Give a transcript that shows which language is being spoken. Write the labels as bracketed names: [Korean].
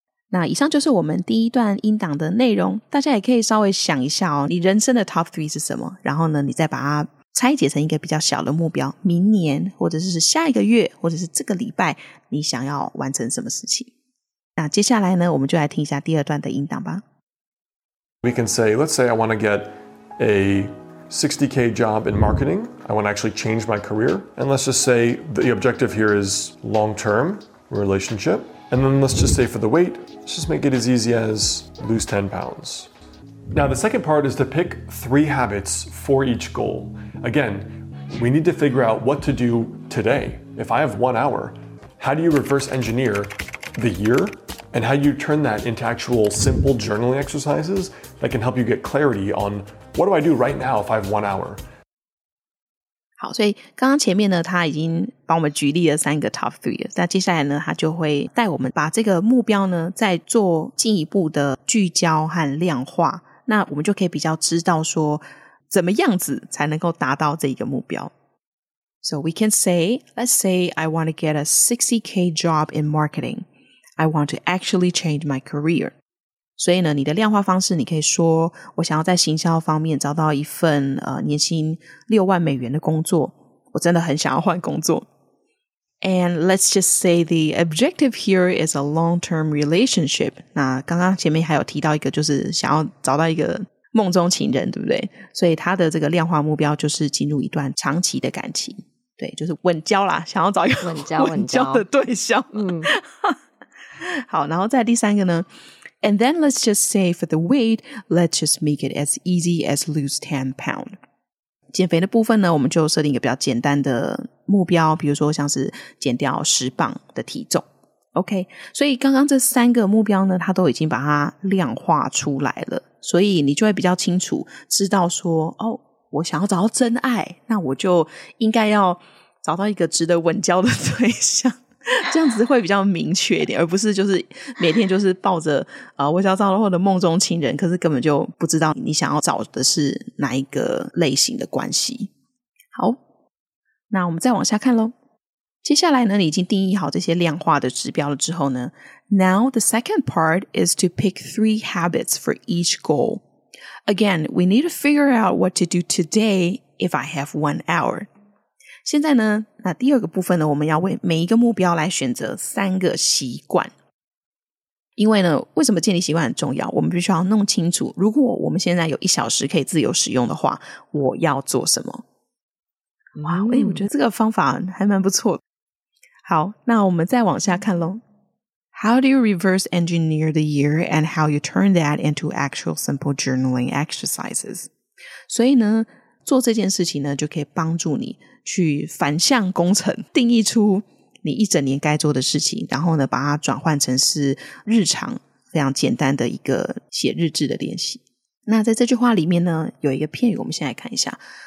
[Chinese] 那以上就是我们第一段音档的内容，大家也可以稍微想一下哦，你人生的 top three 是什么，然后呢你再把它拆解成一个比较小的目标，明年或者是下一个月或者是这个礼拜你想要完成什么事情。那接下来呢我们就来听一下第二段的音档吧。 [English] We can say, let's say I want to get a 60k job in marketing, I want to actually change my career, and let's just say the objective here is long term relationship, and then let's just say for the weight, let's just make it as easy as lose 10 pounds. Now the second part is to pick 3 habits for each goalAgain, we need to figure out what to do today. If I have 1 hour, how do you reverse engineer the year? And how do you turn that into actual simple journaling exercises that can help you get clarity on what do I do right now if I have 1 hour? [Chinese] 好，所以刚刚前面呢，他已经帮我们举例了三个 top three， 那接下来呢，他就会带我们把这个目标呢，再做进一步的聚焦和量化，那我们就可以比较知道说怎么样子才能够达到这一个目标。 [English] So we can say, let's say I want to get a 60k job in marketing, I want to actually change my career. [Chinese] 所以呢你的量化方式你可以说我想要在行销方面找到一份年薪$60,000的工作，我真的很想要换工作。 [English] And let's just say the objective here is a long-term relationship. [Chinese] 那刚刚前面还有提到一个就是想要找到一个梦中情人，对不对？所以他的这个量化目标就是进入一段长期的感情，对，就是稳交啦，想要找一个稳交的对象。好，然后再第三个呢， [English] And then let's just say for the weight, let's just make it as easy as lose 10 pounds. [Chinese] 减肥的部分呢，我们就设定一个比较简单的目标，比如说像是减掉10磅的体重。 OK, 所以刚刚这三个目标呢，它都已经把它量化出来了，所以你就会比较清楚知道说，哦，我想要找到真爱，那我就应该要找到一个值得稳交的对象，这样子会比较明确一点，而不是就是每天就是抱着我想要找到我的梦中情人，可是根本就不知道你想要找的是哪一个类型的关系。好，那我们再往下看咯。 [English] 接下来呢，你已经定义好这些量化的指标了之后呢， Now the second part is to pick 3 habits for each goal. Again, we need to figure out what to do today if I have 1 hour. [Chinese] 现在呢，那第二个部分呢，我们要为每一个目标来选择三个习惯。因为呢，为什么建立习惯很重要？我们必须要弄清楚，如果我们现在有一小时可以自由使用的话，我要做什么？哇，欸，我觉得这个方法还蛮不错的。好，那我们再往下看咯。 [English] How do you reverse engineer the year and how you turn that into actual simple journaling exercises? [Chinese] 所以呢，做这件事情呢，就可以帮助你去反向工程，定义出你一整年该做的事情，然后呢，把它转换成是日常非常简单的一个写日志的练习。那在这句话里面呢，有一个片语，我们先来看一下。